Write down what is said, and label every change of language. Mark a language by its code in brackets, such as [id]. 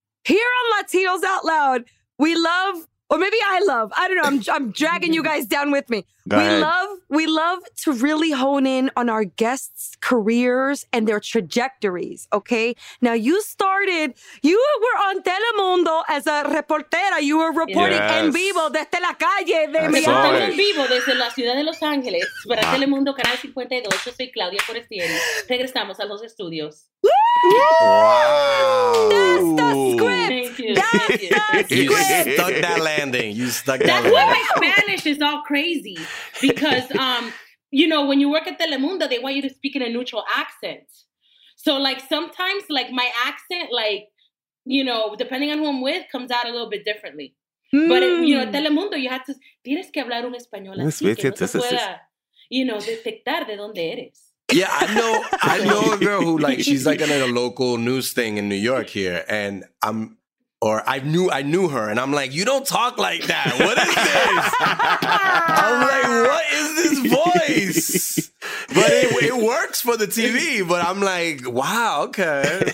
[en] Here on Latinos Out Loud, we love, or maybe I love, I don't know, I'm dragging you guys down with me. We love to really hone in on our guests' careers and their trajectories, okay? Now, you were on Telemundo as a reportera. You were reporting [es] en vivo desde la calle de Miami. En vivo desde la ciudad de Los Ángeles para Telemundo Canal 52. Yo soy Claudia Forestieri. Regresamos a los estudios. [en] Wow. That's the script. You stuck that landing. That's why my Spanish is all crazy, because you know, when you work at Telemundo, they want you to speak in a neutral accent. So like sometimes like my accent, like, you know, depending on who I'm with, comes out a little bit differently. But you know, Telemundo, you have to, [es] tienes que hablar un español así que no se pueda, [en] you know, [es] detectar de dónde eres. [en] Yeah, I know a girl who, like, she's like in a local news thing in New York here, and I knew her, and I'm like, you don't talk like that. What is this? I'm like, what is this voice? But it works for the TV, but I'm like, wow, okay.